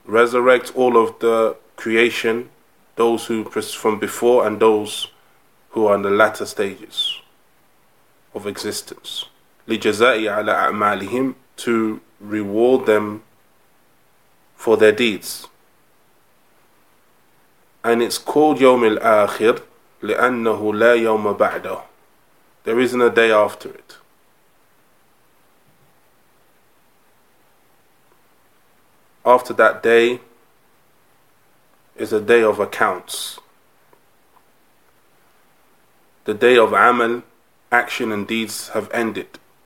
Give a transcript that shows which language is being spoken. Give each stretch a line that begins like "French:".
English: Resurrect all of the creation, those who from before and those who are in the latter stages of existence.
Arabic: لِجَزَاءِ عَلَىٰ أَعْمَالِهِمْ,
English: to reward them for their deeds. And it's called
Arabic: يوم الآخر لأنه لا يوم بعده.
English: There isn't a day after it. After that day is a day of accounts. The day of عمل, action and deeds have ended.